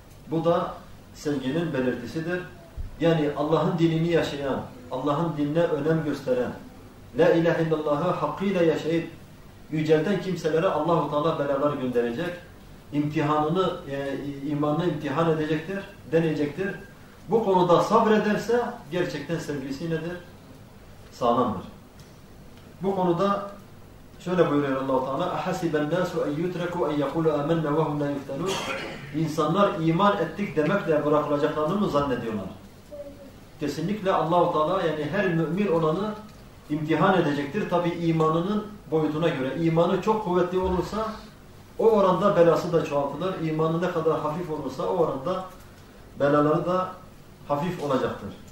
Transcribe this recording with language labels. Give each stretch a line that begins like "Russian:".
Turkish: Bu da sevginin belirtisidir. Yani Allah'ın dinini yaşayan, Allah'ın dinine önem gösteren, La ilahe illallah'ı hakkıyla yaşayıp yücelten kimselere Allah-u Teala belalar gönderecek. İmtihanını, imanını imtihan edecektir, deneyecektir. Bu konuda sabrederse gerçekten sevgisi nedir? Sağlamdır. Bu konuda şöyle buyuruyor Allah-u Teala,
Arabic: اَحَسِبَ النَّاسُ اَنْ يُتْرَكُوا اَنْ يَقُولُوا اَمَنَّ وَهُمْ لَا يُفْتَنُونَ.
Turkish: İnsanlar iman ettik demekle bırakılacaklarını mı zannediyorlar? Kesinlikle Allah-u Teala yani her mümin olanı imtihan edecektir. Tabi imanının boyutuna göre. İmanı çok kuvvetli olursa o oranda belası da çoğaltılır. İmanı ne kadar hafif olursa o oranda belaları da hafif olacaktır.